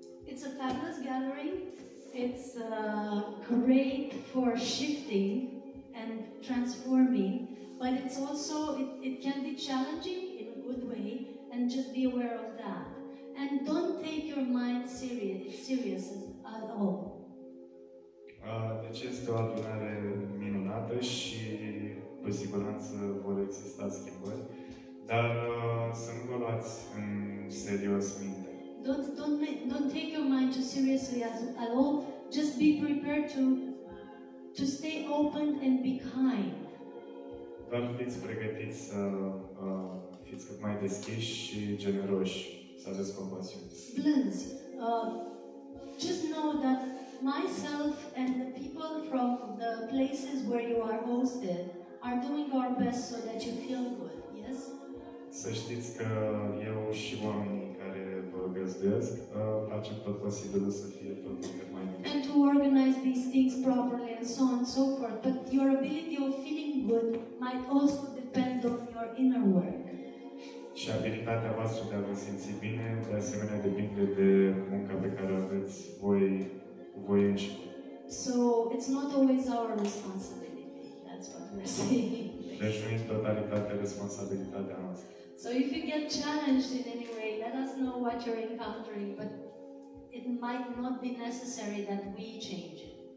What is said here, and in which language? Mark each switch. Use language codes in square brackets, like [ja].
[en] It's a fabulous gathering. It's great for shifting and transforming, but it's also, it can be challenging in a good way, and just be aware of that. And don't take your mind serious at all. [ro] Deci este o adunare minunată și cu siguranță vor exista schimbări, dar să nu vă luați în serios minte. [en] Don't take your mind too seriously at all. Just be prepared to stay open and be kind. [ro] Dar fiți pregătiți să fiți cât mai deschiși și generoși, să aveți compasiune. Blânzi. [en] Just know that myself and the people from the places where you are hosted are doing our best so that you feel good, yes? [ro] Să știți că eu și oamenii care vă găzduiesc facem tot posibilul să fie tot mai bine. [en] And to organize these things properly and so on and so forth. But your ability of feeling good might also depend on your inner work. [ro] Și abilitatea voastră de a vă simți bine, de asemenea, depinde de munca pe care aveți voi. [en] So it's not always our responsibility, that's what we're saying. So if you get challenged in any way, let us know what you're encountering, but it might not be necessary that we change it.